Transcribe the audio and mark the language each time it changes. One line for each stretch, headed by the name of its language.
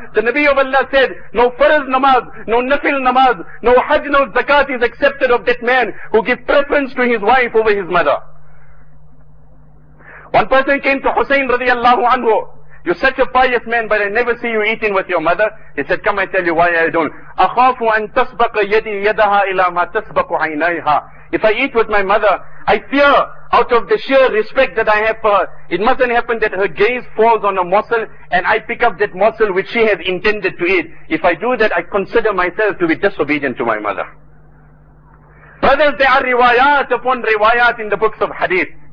English: The Nabi of Allah said, no farz namaz, no nafil namaz, no hajj, no zakat is accepted of that man who gives preference to his wife over his mother. One person came to Hussein radiallahu anhu. You're such a pious man, but I never see you eating with your mother. He said, come, I tell you why I don't.
Arabic: أَخَافُ أَن تَسْبَقَ يَدِي يَدَهَا إِلَى مَا تَسْبَقُ عَيْنَيْهَا.
English: If I eat with my mother, I fear, out of the sheer respect that I have for her, it mustn't happen that her gaze falls on a morsel and I pick up that morsel which she has intended to eat. If I do that, I consider myself to be disobedient to my mother. Brothers, there are riwayat upon riwayat in the books of hadith.